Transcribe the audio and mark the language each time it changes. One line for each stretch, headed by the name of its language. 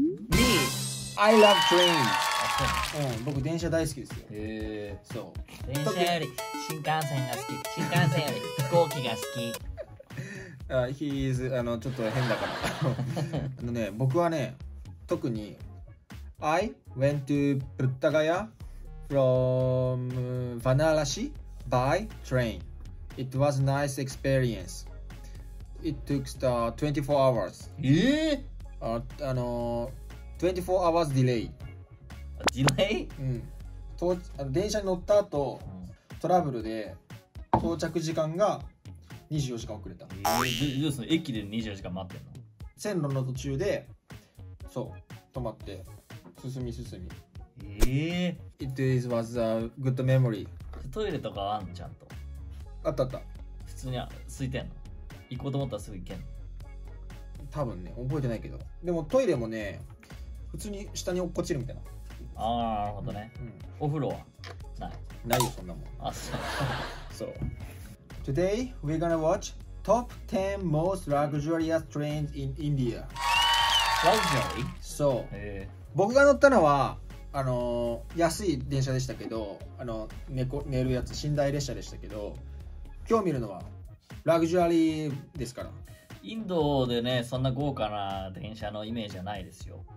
English: Me, I love train.
Japanese: うん、僕電車大好きですよ。へえ、そう。電車より新幹線が好き。新幹線より飛行機が好き。
English: He is
Japanese: あのちょっと変だから。あのね、僕はね、特に
English: I went to Puttagaya from Varanasi by train. It was nice experience. It took 24 hours.
Japanese: あの24
English: hours delay. Delay?
Japanese: うん。あの電車に乗った後、トラブルで到着時間が24時間遅れた。どうすんの？駅で24時間待ってんの？線路の途中で、そう、止まって、進み進み。
English: It is, was a good memory.
Japanese: トイレとかあんの？ちゃんと。あったあった。普通に空いてんの？行こうと思ったらすぐ行けん。多分ね、覚えてないけど。でもトイレもね、普通に下に落っこちるみたいな。ああ、なるほどね、うん。お風呂はない。ないよ、そんなもん。あ、そう。そう。
English: Today, we're gonna watch top 10 most luxurious trains in India. Luxury?
Japanese: そう。僕が乗ったのは、安い電車でしたけど、寝るやつ、寝台列車でしたけど、今日見るのは、ラグジュアリーですから。インドでね、そんな豪華な電車のイメージはないですよ。